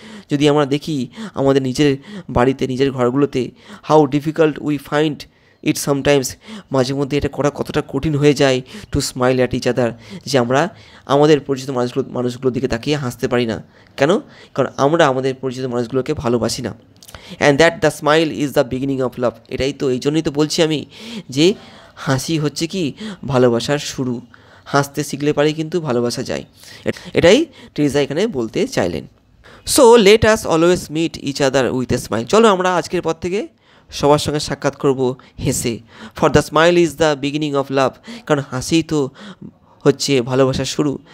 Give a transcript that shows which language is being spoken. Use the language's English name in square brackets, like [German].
[Bangla] যদি আমরা দেখি আমাদের নিজের বাড়িতে নিজের ঘরগুলোতে, [English] how difficult we find it sometimes, [Bangla] মাঝে মধ্যে এটা করা কতটা কঠিন হয়ে যায় [English] to smile at each other, [Bangla] যে আমরা আমাদের পরিচিত মানুষগুলোর দিকে তাকিয়ে হাসতে পারি না, কেন, কারণ আমরা আমাদের পরিচিত মানুষগুলোকে ভালোবাসি না। [English] And that the smile is the beginning of love. [Bangla] এটাই তো, এই জন্যই তো বলছি আমি যে হাসি হচ্ছে কি ভালোবাসার শুরু, হাসতে শিখলে পারি কিন্তু ভালোবাসা যায়, এটাই টেরিজা এখানে বলতে চাইলেন। [English] so let us always meet each other with a smile, [Bangla] চলো আমরা আজকের পর থেকে সবার সঙ্গে সাক্ষাৎ করবো হেসে, [English] for the smile is the beginning of love, [Bangla] কারণ হাসিই তো হচ্ছে ভালোবাসার শুরু।